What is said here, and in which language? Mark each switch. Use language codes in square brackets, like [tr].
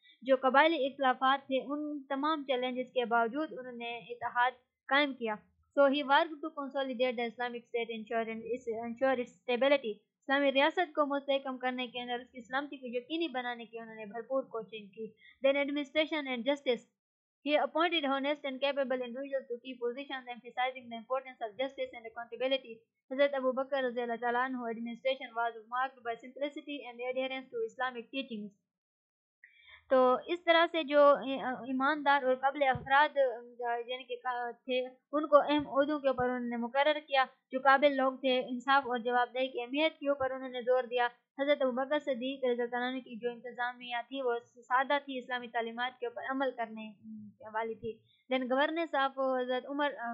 [ur] جو قبائلی اختلافات تھے ان تمام چیلنجز کے باوجود انہوں نے اتحاد قائم کیا [en] so he work to consolidate the Islamic state ensure its stability [ur] اسلامی ریاست کو مستحکم کرنے کے اندر اس کی سلامتی کو یقینی بنانے کی انہوں نے بھرپور کوشش کی [en] Then administration and justice He appointed honest and capable individuals to key positions emphasizing the importance of justice and accountability. Hazrat Abu Bakr [ar] رضی اللہ تعالیٰ عنہ [en] administration was marked by simplicity and adherence to Islamic teachings. [ur] تو اس طرح سے جو ایماندار اور قابل افراد یعنی کہ تھے ان کو اہم عہدوں کے اوپر انہوں نے مقرر کیا جو قابل لوگ تھے انصاف اور جواب دہی کی اہمیت کے اوپر انہوں نے زور دیا حضرت ابو بکر صدیق رضی اللہ عنہ کی جو انتظامیہ تھی وہ سادہ تھی اسلامی تعلیمات کے اوپر عمل کرنے والی تھی [en] then governance of [ur] حضرت عمر